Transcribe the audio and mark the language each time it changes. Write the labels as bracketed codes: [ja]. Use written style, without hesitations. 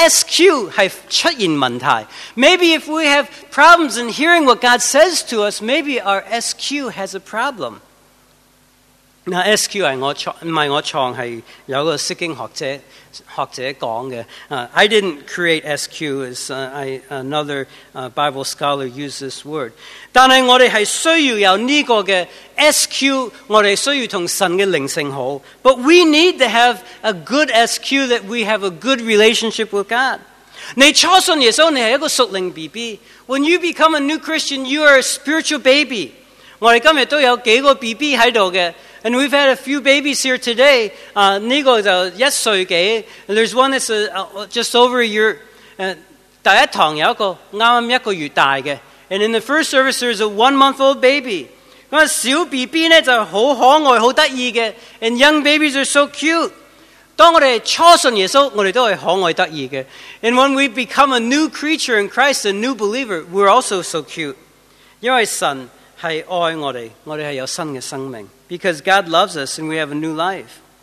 [yue] 因为有很多东西会影响到我们，我们属灵生命，听不入以神讲的东西，可能我们的SQ是出现问题。 [en] Maybe if we have problems in hearing what God says to us, maybe our SQ has a problem. [yue] SQ 不是我创，是有个圣经学者讲的。 [en] I didn't create SQ, another Bible scholar used this word. [yue] 但是我们是需要有这个SQ, 我们需要与神的灵性好。 [en] But we need to have a good SQ that we have a good relationship with God. [yue] 你初信耶稣，你是一个属灵BB。 [en] When you become a new Christian, you are a spiritual baby. [yue] 我们今天都有几个BB在这里的。 [en] And we've had a few babies here today. There's one that's just over a year. [yue] 第一堂有一个刚刚一个月大的。 [en] And in the first service, there's a one-month-old baby. [yue] 小BB就很可爱,很有趣的。 [en] And young babies are so cute. [yue] 当我们初信耶稣,我们都是可爱有趣的。 [en] And when we become a new creature in Christ, a new believer, we're also so cute. [yue] 因为神是爱我们,我们是有新的生命。 Because God loves us and we have a new life.